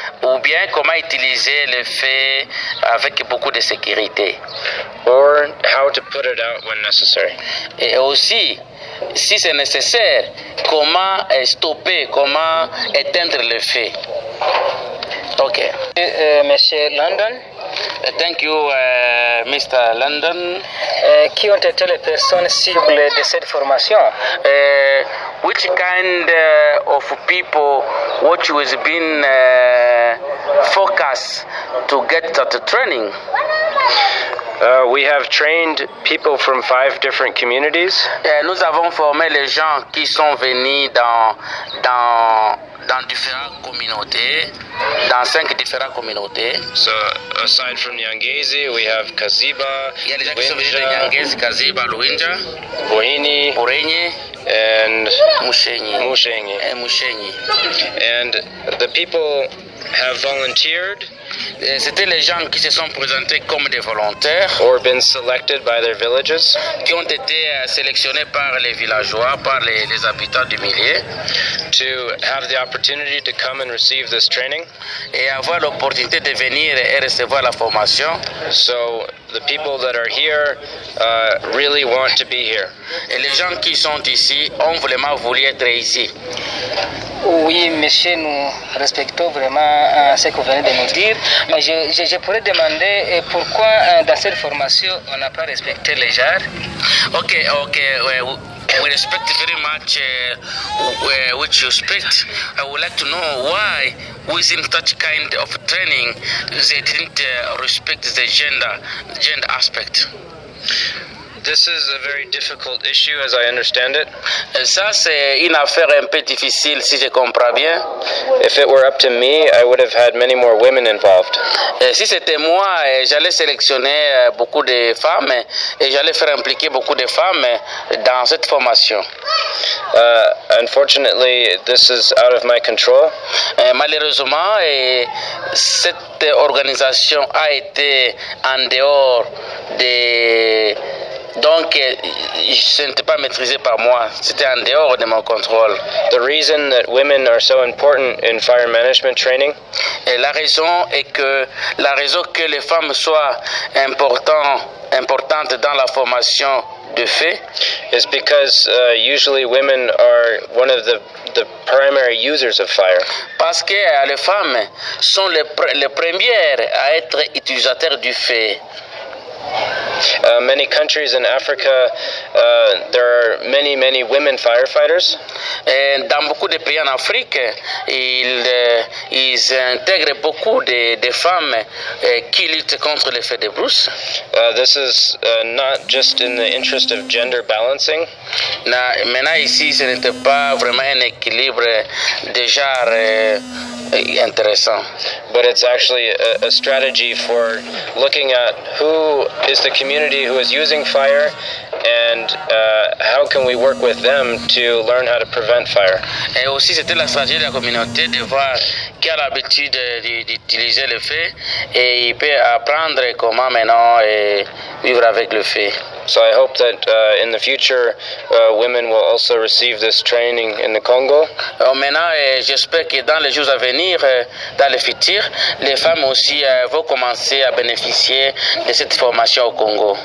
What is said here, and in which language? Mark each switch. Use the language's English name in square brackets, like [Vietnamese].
[French] Ou bien comment utiliser le feu avec beaucoup de sécurité. [English] Or how to put it out when necessary. [French] Et aussi, si c'est nécessaire, comment stopper, comment éteindre le feu. Ok. Monsieur London. [English] Thank you, Mr. London. [French] Qui ont été les personnes cibles de cette formation? [English] Which kind of people which was been focused to get that training? We have trained people from five different communities. [French] Nous avons formé les gens qui sont venus dans différentes communautés, dans cinq différentes communautés. [English] So, aside from Nyangezi, we have Kaziba, Luinja, Boini, Borenye, and Mushenyi. And the people have volunteered. [French] C'était les gens qui se sont présentés comme des volontaires. [English] Or been selected by their villages. [French] Qui ont été sélectionnés par les villageois, par les habitants du milieu. [English] To have the opportunity to come and receive this training. [French] Et avoir l'opportunité de venir et recevoir la formation. [English] So the people that are here really want to be here. [French] Et les gens qui sont ici ont vraiment voulu être ici. Oui, monsieur, nous respectons vraiment ce que vous venez de nous dire. Mais je pourrais demander pourquoi dans cette formation on n'a pas respecté les jarres. [English] Ok, we respect very much what you speak. I would like to know why within such kind of training they didn't respect the gender aspect. This is a very difficult issue, as I understand it. [French] Ça, c'est une affaire un peu difficile, si je comprends bien. [English] If it were up to me, I would have had many more women involved. [French] Si c'était moi, j'allais sélectionner beaucoup de femmes et j'allais faire impliquer beaucoup de femmes dans cette formation. [English] Unfortunately, this is out of my control. [French] Malheureusement, cette organisation a été en dehors de Donc, ce n'était pas maîtrisé par moi. C'était en dehors de mon contrôle. [English] The reason that women are so important in fire management training? [French] Et la raison que les femmes soient importantes dans la formation de feu. [English] Is because usually women are one of the primary users of fire. [French] Parce que les femmes sont les premières à être utilisateurs du feu. [English] Many countries in Africa, there are many, many women firefighters. [French] Dans beaucoup de pays en Afrique, ils intègrent beaucoup de femmes qui luttent contre les feux de brousse. [English] This is not just in the interest of gender balancing. [French] Maintenant ici, ce n'était pas vraiment un équilibre de genre intéressant. [English] But it's actually a strategy for looking at who is the community who is using fire and how can we work with them to learn how to prevent fire. [French] Et aussi c'était la stratégie de la communauté de voir qui a l'habitude d'utiliser le feu et il peut apprendre comment maintenant vivre avec le feu. [English] So I hope that in the future women will also receive this training in the Congo. [French] Maintenant j'espère que dans les jours à venir, dans le futur, les femmes aussi vont commencer à bénéficier de cette formation au Congo.